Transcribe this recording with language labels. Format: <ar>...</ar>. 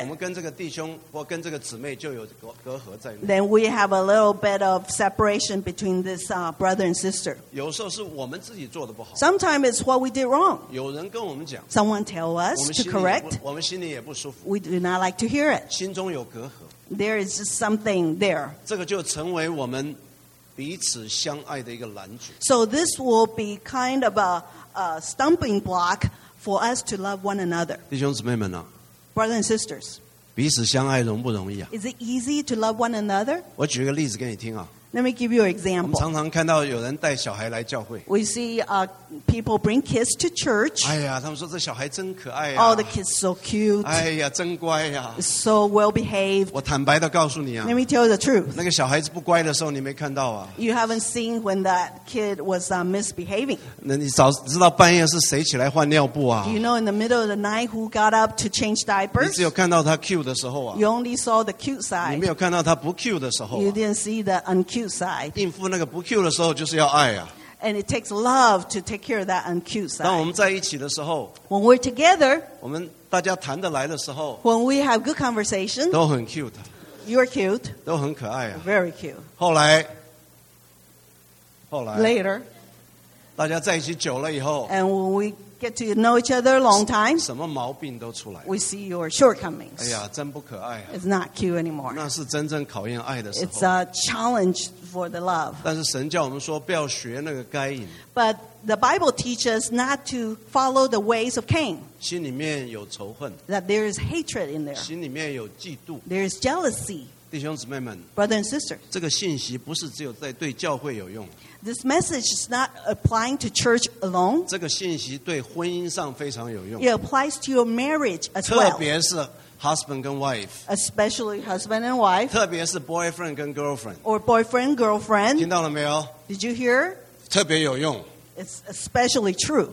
<zh>我们跟这个弟兄或跟这个姊妹就有隔阂在那。</zh> <en>Then we have a little bit of separation between this brother and sister.</en> <zh>有时候是我们自己做的不好。</zh> <en>Sometimes it's what we did wrong.</en> <zh>有人跟我们讲。</zh> <en>Someone tell us to correct.</en> <zh>我们心里也不舒服。</zh> <en>We do not like to hear it.</en> <zh>心中有隔阂。</zh> <en>There is just something there.</en> <zh>这个就成为我们彼此相爱的一个拦阻。</zh> <en>So this will be kind of a stumbling block. For us to love one another.</en> <zh>弟兄姊妹们啊,</zh> <en>Brothers and sisters.</en> <zh>彼此相爱容不容易啊?</zh> <en>Is it easy to love one another?</en> <zh>我举个例子给你听啊。</zh> <en>Let me give you an example.</en> <zh>我们常常看到有人带小孩来教会。</zh> <en>We see people bring kids to church.</en> <zh>哎呀，他们说这小孩真可爱</zh> <en>呀。Oh, the kids so cute.</en> <zh>哎呀，真乖呀。</zh> <en>So well behaved.</en> <zh>我坦白地告诉你啊。</zh> <en>Let me tell you the truth.</en> <zh>那个小孩子不乖的时候，你没看到啊。</zh> <en>You haven't seen when that kid was misbehaving.</en> <zh>那你早知道半夜是谁起来换尿布啊？</zh> <en>You know in the middle of the night who got up to change diapers?</en> <zh>你只有看到他 cute 的时候啊。</zh> <en>You only saw the cute side.</en> <zh>你没有看到他不 cute 的时候啊。</zh> <en>You didn't see the uncute. Side.</en> <zh>应付那个不 cute 的时候就是要爱啊</zh> <en>And it takes love to take care of that uncute side.</en> <zh>当我们在一起的时候</zh> <en>When we're together,</en> <zh>我们大家谈得来的时候</zh> <en>When we have good conversation,</en> <zh>都很 cute.</zh> <en>You're cute.</en> <zh>都很可爱啊</zh> <en>Very cute.</en> <zh>后来</zh> <en>Later,</en> <zh>大家在一起久了以后</zh> <en>And when we get to know each other a long time,</en> <zh>什么毛病都出来</zh> <en>We see your shortcomings.</en> <zh>哎呀真不可爱啊</zh> <en>It's not cute anymore.</en> <zh>那是真正考验爱的时候</zh> <en>It's a challenge. For the love.</en> <zh>但是神叫我们说不要学那个该隐。</zh> <en>But the Bible teaches not to follow the ways of Cain.</en> <zh>心里面有仇恨。</zh> <en>That there is hatred in there.</en> <zh>心里面有嫉妒。</zh> <en>There is jealousy.</en> <zh>弟兄姊妹们。</zh> <en>Brother and sister.</en> <zh>这个信息不是只有在对教会有用。</zh> <en>This message is not applying to church alone.</en> <zh>这个信息对婚姻上非常有用。</zh> <en>It applies to your marriage as well.</en> <zh>特别是</zh> <en>Husband and wife. Especially husband and wife.</en> <zh>特别是 boyfriend 跟 girlfriend.</zh> <en>Or boyfriend, girlfriend.</en> <zh>听到了没有?</zh> <en>Did you hear?</en> <zh>特别有用。</zh> <en>It's especially true.</en>